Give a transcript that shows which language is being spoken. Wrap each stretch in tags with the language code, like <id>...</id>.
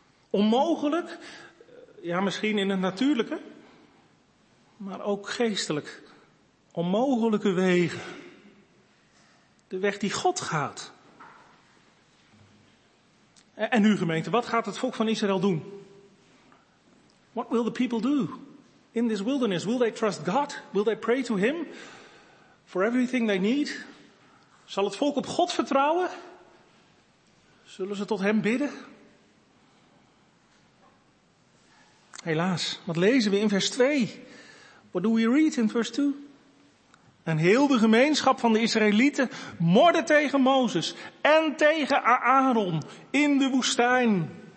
<nl>Onmogelijk, ja misschien in het natuurlijke, maar ook geestelijk. Onmogelijke wegen. De weg die God gaat. En nu gemeente, wat gaat het volk van Israël doen?</nl> <en>What will the people do in this wilderness? Will they trust God? Will they pray to Him for everything they need?</en> <nl>Zal het volk op God vertrouwen? Zullen ze tot Hem bidden? Helaas, wat lezen we in vers 2?</nl> <en>What do we read in verse 2?</en> <nl>En heel de gemeenschap van de Israëlieten morde tegen Mozes en tegen Aaron in de woestijn.</nl>